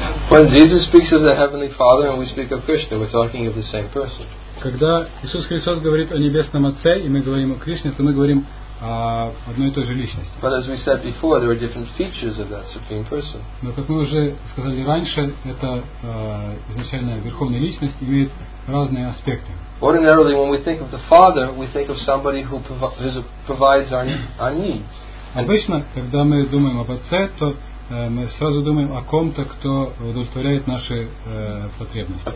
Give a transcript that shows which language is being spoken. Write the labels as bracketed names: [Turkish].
[English] When Jesus speaks of the Heavenly Father and we speak of Krishna, we're talking of the same person. [Russian] Когда Иисус Христос говорит о Небесном Отце, и мы говорим о Кришне, то мы говорим о одной и той же личности. [English] But as we said before, there are different features of that supreme person. [Russian] Но как мы уже сказали раньше, эта изначальная верховная личность имеет разные аспекты. [English] Ordinarily, when we think of the Father, we think of somebody who provides our needs. [Russian] Обычно, когда мы думаем об Отце, то мы сразу думаем о ком-то, кто удовлетворяет наши потребности.